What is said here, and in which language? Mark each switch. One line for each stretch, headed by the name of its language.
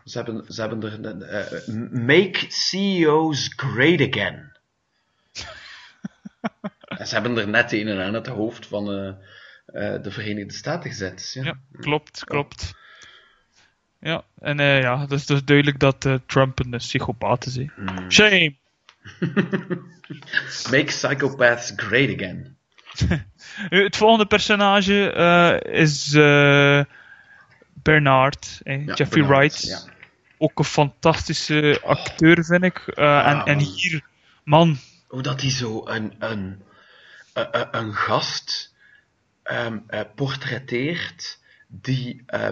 Dutch: Ze hebben er...
English: make CEO's great again.
Dutch: Ze hebben er net een aan het hoofd van de Verenigde Staten gezet. Ja, klopt. Ja, en het is dus duidelijk dat Trump een psychopaat is.
English: Shame! Make psychopaths great again.
Dutch: Het volgende personage is Bernard, Jeffrey Bernard, Wright. Ja. Ook een fantastische acteur, vind ik. En hier, man... Hoe dat hij zo een gast portretteert die...